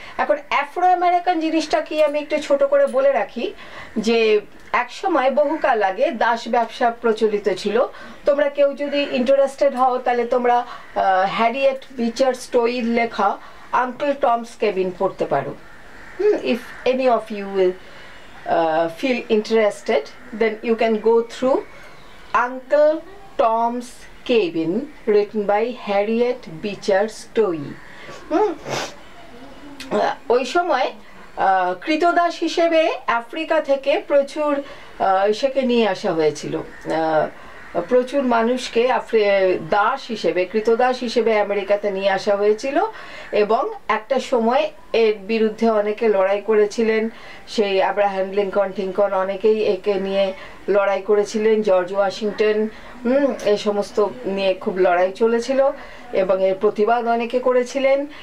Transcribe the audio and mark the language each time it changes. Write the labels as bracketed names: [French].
[Bangla] এখন Afro American জিনিসটা কি আমি একটু ছোট করে বলে রাখি, যে এক সময় বহুকাল আগে দাস ব্যবসা প্রচলিত ছিল। তোমরা কেউ যদি ইন্টারেস্টেড হও তাহলে তোমরা হ্যারিয়েট বিচার স্টোইল লেখা আঙ্কেল টমস কেবিন পড়তে পারো। [English] If any of you will feel interested, then you can go through Uncle Tom's Cabin, written by Harriet Beecher Stowe. [Bangla] ওই সময় ক্রীতদাস হিসেবে আফ্রিকা থেকে প্রচুর সেকে নিয়ে আসা হয়েছিল, প্রচুর মানুষকে দাস হিসেবে, ক্রীতদাস হিসেবে আমেরিকাতে নিয়ে আসা হয়েছিল। এবং একটা সময় এর বিরুদ্ধে অনেকে লড়াই করেছিলেন, সেই আব্রাহাম লিঙ্কন টিঙ্কন অনেকেই একে নিয়ে লড়াই করেছিলেন, জর্জ ওয়াশিংটন এই সমস্ত নিয়ে খুব লড়াই চলেছিল এবং এর প্রতিবাদ অনেকে করেছিলেন।